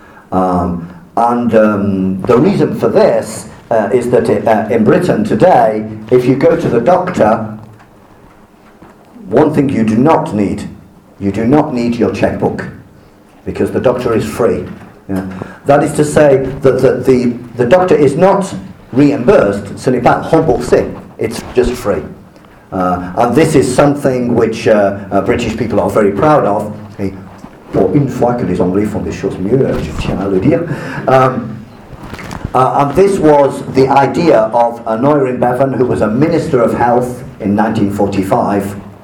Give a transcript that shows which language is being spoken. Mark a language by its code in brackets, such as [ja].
[en] The reason for this is that in Britain today, if you go to the doctor, one thing you do not need your checkbook, because the doctor is free. Yeah. That is to say that the doctor is not reimbursed, [fr] ce n'est pas remboursé, [en] it's just free. And this is something which British people are very proud of. [fr] Et pour une fois que les Anglais font des choses mieux, je tiens à le dire. [en] And this was the idea of Aneurin Bevan, who was a Minister of Health in 1945.